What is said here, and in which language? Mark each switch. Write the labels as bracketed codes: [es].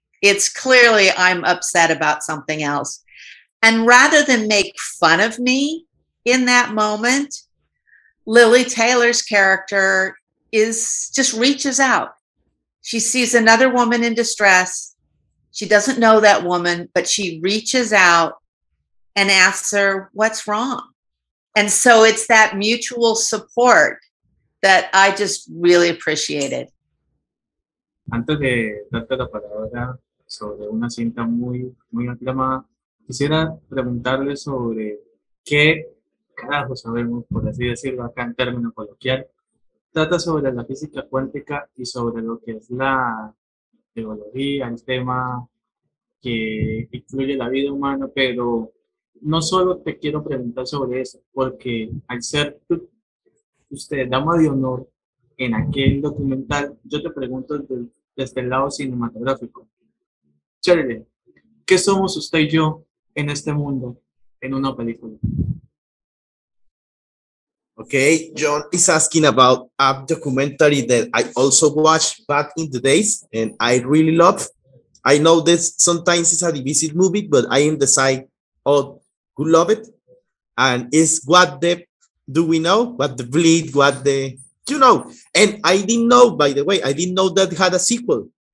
[en] It's clearly I'm upset about something else. And rather than make fun of me in that moment, Lily Taylor's character just reaches out. She sees another woman in distress. She doesn't know that woman, but she reaches out and asks her, what's wrong? And so it's that mutual support that I just really appreciated. [es] Antes de darte la palabra sobre una cinta muy, muy aclamada, quisiera preguntarle sobre qué carajo sabemos, por así decirlo acá en término coloquial, trata sobre la física cuántica y sobre lo que es la biología, el tema que incluye la vida humana, pero no solo te quiero preguntar sobre eso, porque al ser tú, usted, dama de honor, en aquel documental, yo te pregunto desde el lado cinematográfico. Sherilyn, ¿qué somos usted y yo en este mundo, en una película? [en] Okay, John is asking about a documentary that I also watched back in the days, and I really love. I know that sometimes it's a divisive movie, but I am the side of who love it, and it's What the Do We Know, What the Bleed, What the, you know, and I didn't know, by the way, I didn't know that had a sequel.